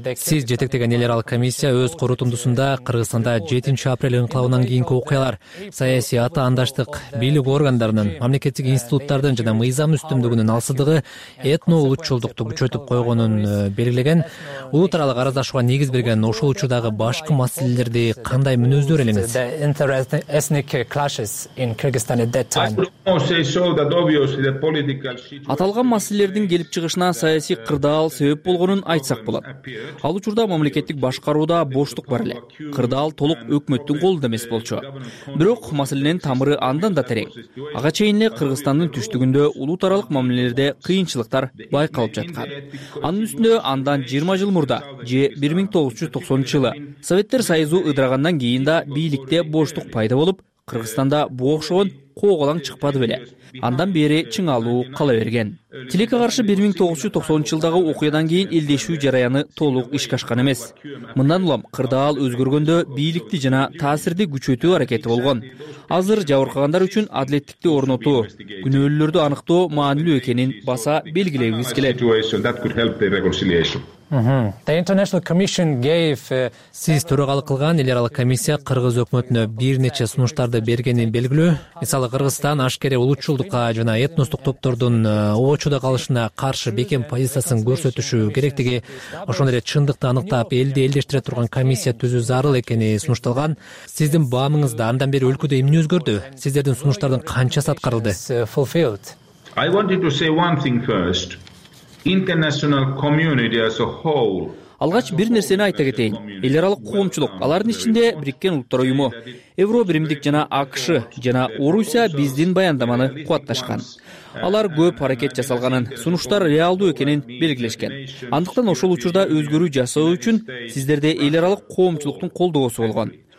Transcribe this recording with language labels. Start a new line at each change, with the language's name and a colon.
Kyrgyz: Сиз жетектеген эл аралык комиссия өз корутундусунда Кыргызстанда 7 апрель инкылабынан кийинки окуялар, саясий атаандаштык, бийлик органдарынын, мамлекеттик институттардын жана мыйзам үстөмдүгүнүн алсыздыгы этно улутчулдукту күчөтүп койгонун белгилеген, улут аралык араздашууга негиз берген ошол учурдагы башкы маселелерди кандай мүнөздөр элеңиз?
English: The inter-ethnic clashes in Kyrgyzstan at that time.
Kyrgyz: Аталган маселелердин келип чыгышына саясий кырдаал себеп болгонун айтсак болот. Ал учурда мамлекеттик башкарууда боштук бар эле. Кырдаал толук өкмөттүн колунда эмес болчу. Бирок маселенин тамыры андан да терең. Ага чейин эле Кыргызстандын түштүгүндө улут аралык мамилелерде кыйынчылыктар байкалып жаткан. Анын үстүнө андан 20 жыл мурда, же 1990-жылы Советтер Союзу ыдырагандан кийин да бийликте боштук пайда болуп, Кыргызстанда буга окшогон кооголаң чыкпады беле. Андан бери чыңалуу кала берген. Тилекке каршы 1990-жылдагы окуядан кийин элдешүү жараяны толук ишке ашкан эмес. Мындан улам кырдаал өзгөргөндө бийликти жана таасирди күчөтүү аракети болгон. Азыр жабыркагандар үчүн адилеттикти орнотуу, күнөөлүүлөрдү аныктоо маанилүү экенин баса белгилегибиз келет.
English: The International Commission gave
Kyrgyz: Сиз төрагалык кылган эл аралык комиссия кыргыз өкмөтүнө бир нече сунуштарды бергени белгилүү. Мисалы, Кыргызстан ашкере улутчулдукка жана этностук топтордун обочудо калышына каршы бекем позициясын көрсөтүшү керектиги, ошондой эле чындыкты аныктап, элди элдештире турган комиссия түзүү зарыл экени сунушталган. Сиздин баамыңызда андан бери өлкөдө эмне өзгөрдү? Сиздердин сунуштардын канчасы аткарылды?
English: I wanted to say one thing first. International community as a whole.
Kyrgyz: Алгач бир нерсени айта кетейин. Эл аралык коомчулук, алардын ичинде Бириккен Улуттар Уюму, Евро Биримдик жана АКШ жана Орусия биздин баяндаманы кубатташкан. Алар көп аракет жасалганын, сунуштар реалдуу экенин белгилешкен. Андыктан ошол учурда өзгөрүү жасоо үчүн сиздерде эл аралык коомчулуктун колдоосу болгон.